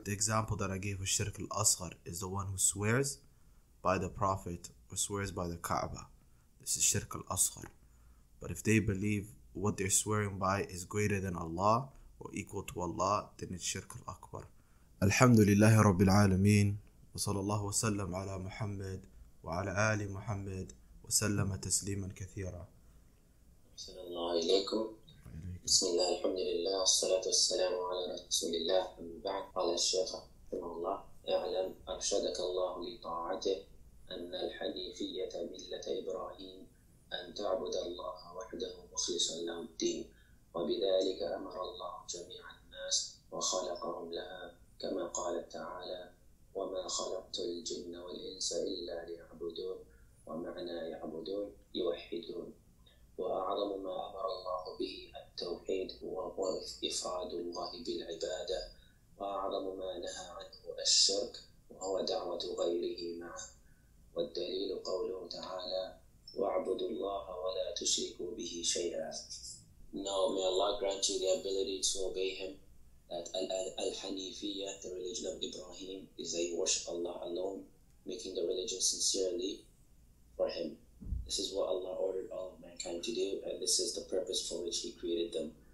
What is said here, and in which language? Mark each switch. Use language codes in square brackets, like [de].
[en] The example that I gave with Shirk al-Asghar is the one who swears by the Prophet or swears by the Kaaba. This is Shirk al-Asghar. But if they believe what they're swearing by is greater than Allah or equal to Allah, then it's Shirk al-Akbar. [ar] Alhamdulillahi Rabbil Alameen. وصلى الله وسلم على محمد وعلى آل محمد وسلم تسليما كثيرا. صلى الله عليكم. بسم الله الحمد لله والصلاة والسلام على رسول الله. أما بعد، قال الشيخ رحمه الله: اعلم أرشدك الله لطاعته أن الحنيفية ملة إبراهيم أن تعبد الله وحده مخلصا له الدين، وبذلك أمر الله جميع الناس وخلقهم لها، كما قال تعالى: وما خلقت الجن والإنس إلا ليعبدون، ومعنى يعبدون يوحدون. وأعظم ما أمر الله به التوحيد هو إفراد الله بالعبادة، وأعظم ما نهى عنه الشرك وهو دعوة غيره معه. والدليل قوله تعالى: واعبدوا الله ولا تشركوا به شيئا. [en] Now may Allah grant you the ability to obey him. That al-Hanifiyya, the religion of Ibrahim, is that you worship Allah alone, making the religion sincerely for him. This is what Allah ordered all of mankind to do, and this is the purpose for which he created them.